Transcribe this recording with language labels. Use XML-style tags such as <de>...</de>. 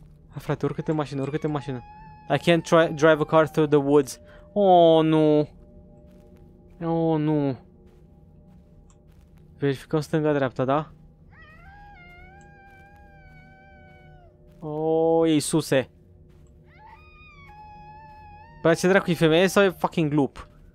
<ro>Ha, frate, urcă-te în mașină, urcă-te în mașină.</ro> <en>I can't drive a car through the woods.</en> <ro>Oh, nu. Oh, nu. Verificăm stânga-dreapta, da? Oh, Iisuse. Bă, ce dracu, e femeie sau e fucking glup?</ro>